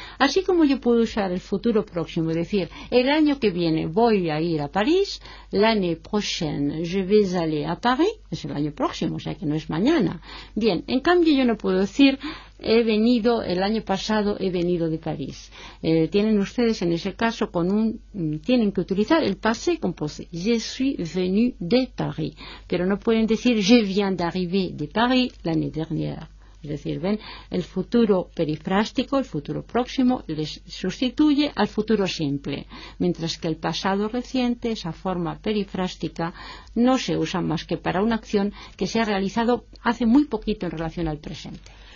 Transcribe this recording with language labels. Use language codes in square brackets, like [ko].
[es] Así como yo puedo usar el futuro próximo, decir, el año que viene voy a ir a París, [fr] l'année prochaine je vais aller à Paris, [es] es el año próximo, o sea que no es mañana. Bien, en cambio yo no puedo decir, el año pasado he venido de París. Tienen ustedes en ese caso, tienen que utilizar el passé composé. [fr] Je suis venu de Paris. [es] Pero no pueden decir, [fr] je viens d'arriver de Paris l'année dernière. [es] Es decir, ven, el futuro perifrástico, el futuro próximo, les sustituye al futuro simple. Mientras que el pasado reciente, esa forma perifrástica, no se usa más que para una acción que se ha realizado hace muy poquito en relación al presente.